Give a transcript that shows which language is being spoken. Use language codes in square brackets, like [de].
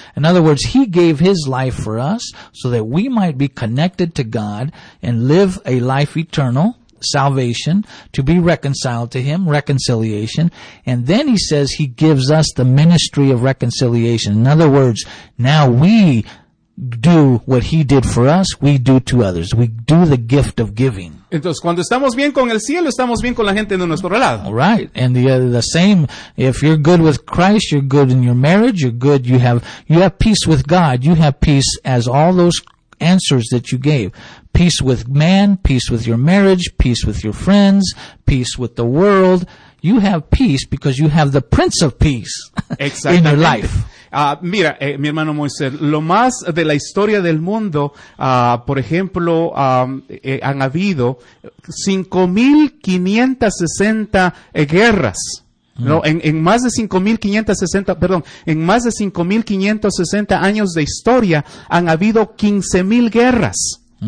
[en] In other words, he gave his life for us so that we might be connected to God and live a life eternal. Salvation, to be reconciled to him, reconciliation. And then he says he gives us the ministry of reconciliation. In other words, now we do what he did for us, we do to others. We do the gift of giving. [es] Entonces, cuando estamos bien con el cielo, estamos bien con la gente de nuestro lado. [en] All right. And the same, if you're good with Christ, you're good in your marriage, you're good, you have peace with God, you have peace as all those answers that you gave. Peace with man, peace with your marriage, peace with your friends, peace with the world. You have peace because you have the Prince of Peace in your life. [es] Mira, mi hermano Moisés, lo más de la historia del mundo, por ejemplo, han habido 5,560 guerras. No, en más de 5560, perdón, en más de 5560 años de historia han habido 15,000 guerras.